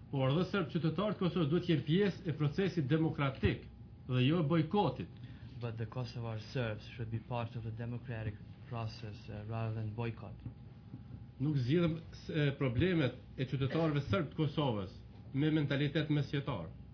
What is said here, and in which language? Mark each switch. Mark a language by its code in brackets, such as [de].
[sq] Por dhe Serb qytetarët Kosovës duhet jenë pjesë e procesit demokratik dhe jo e bojkotit. [en] But the Kosovar Serbs should be part of the democratic process rather than boycott. [sq] Nuk zgjidhim problemet e qytetarëve serb të Kosovës me mentalitet mesjetar.